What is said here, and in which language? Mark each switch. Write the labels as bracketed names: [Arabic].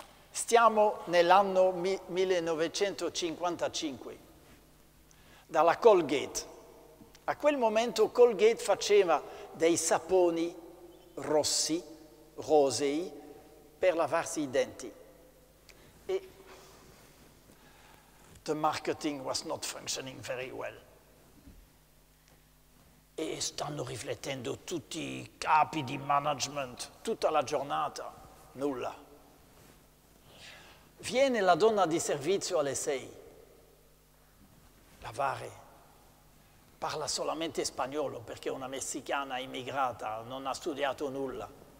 [Italian] Stiamo nell'anno 1955, dalla Colgate. A quel momento Colgate faceva dei saponi rossi, rosei, per lavarsi i denti. [English] E the marketing was not functioning very well. [Italian] E stanno riflettendo tutti i capi di management, tutta la giornata, nulla. Viene la donna di servizio alle 6, lavare, parla solamente spagnolo perché è una messicana immigrata, non ha studiato nulla.